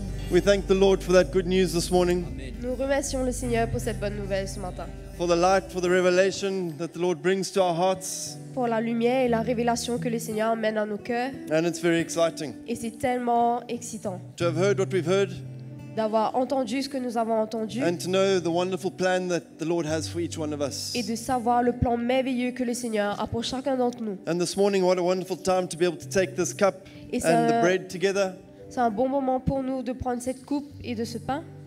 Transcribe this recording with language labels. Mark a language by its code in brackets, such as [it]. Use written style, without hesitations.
[en] We thank the Lord for that good news this morning. [fr] Nous remercions le Seigneur pour cette bonne nouvelle ce matin. [en] For the light, for the revelation that the Lord brings to our hearts. [fr] Pour la lumière et la révélation que le Seigneur amène à nos cœurs. [en] And it's very exciting. [fr] Et c'est tellement excitant. [en] To have heard what we've heard. [fr] D'avoir entendu ce que nous avons entendu. [en] And to know the wonderful plan that the Lord has for each one of us. [fr] Et de savoir le plan merveilleux que le Seigneur a pour chacun d'entre nous. [en] And this morning, what a wonderful time to be able to take this cup and the bread together. [fr] C'est un bon moment pour nous de prendre cette coupe et de ce pain.